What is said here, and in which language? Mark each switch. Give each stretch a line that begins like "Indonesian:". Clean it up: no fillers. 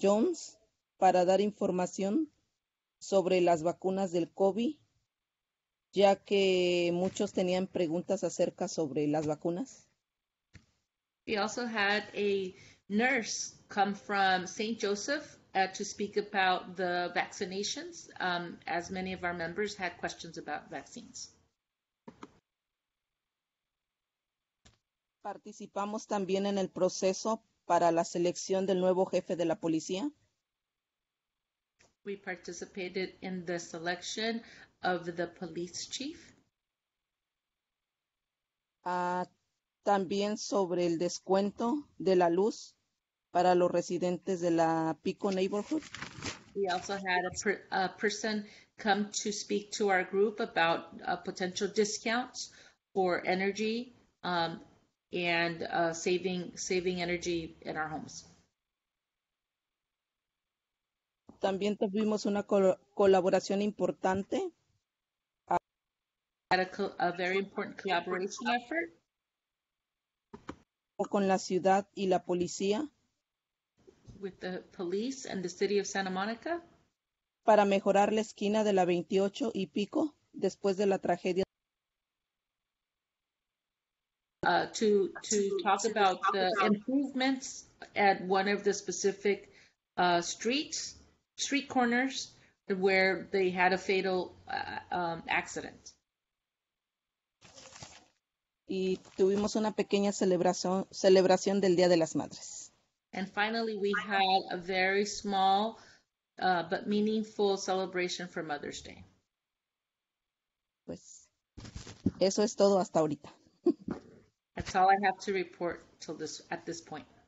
Spanish: John's para dar información sobre las vacunas del COVID. Ya que muchos tenían preguntas acerca sobre las vacunas.
English: We also had a nurse come from St. Joseph to speak about the vaccinations, as many of our members had questions about vaccines.
Spanish: Participamos también en el proceso para la selección del nuevo jefe de la policía.
English: We participated in the selection of the police chief.
Spanish: También sobre el descuento de la luz para los residentes de la Pico neighborhood.
English: We also had a person come to speak to our group about potential discounts for energy and saving energy in our homes.
Spanish: También tuvimos una colaboración importante.
English: Had a very important collaboration effort.
Spanish: Con la ciudad y la policía.
English: With the police and the city of Santa Monica.
Spanish: Para mejorar la esquina de la 28 y pico después de la tragedia.
English: To talk about the improvements at one of the specific street corners where they had a fatal accident.
Spanish: Y tuvimos una pequeña celebración del Día de las Madres.
English: And finally, we had a very small but meaningful celebration for Mother's Day.
Spanish: Pues, eso es todo hasta ahorita.
English: That's all I have to report till this at this point.